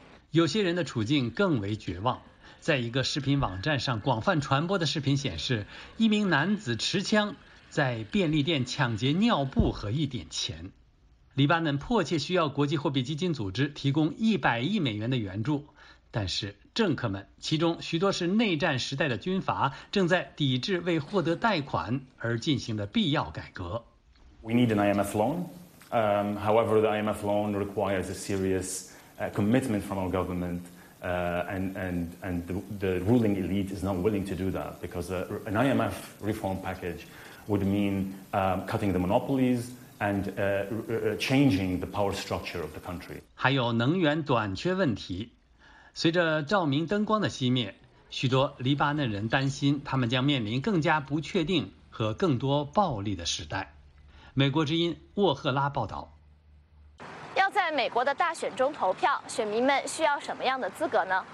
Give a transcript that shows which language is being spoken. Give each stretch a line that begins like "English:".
Chinese: 有些人的处境更为绝望。在一个视频网站上广泛传播的视频显示，一名男子持枪在便利店抢劫尿布和一点钱。黎巴嫩迫切需要国际货币基金组织提供100亿美元的援助。但是政客们，其中许多是内战时代的军阀，正在抵制为获得贷款而进行的必要改革。
English: We need an IMF loan. However, the IMF loan requires a serious commitment from our government, and the ruling elite is not willing to do that because an IMF reform package would mean cutting the monopolies. And changing the power structure of the country.
Chinese: 还有能源短缺问题，随着照明灯光的熄灭，许多黎巴嫩人担心他们将面临更加不确定和更多暴力的时代。美国之音沃赫拉报道。要在美国的大选中投票，选民们需要什么样的资格呢？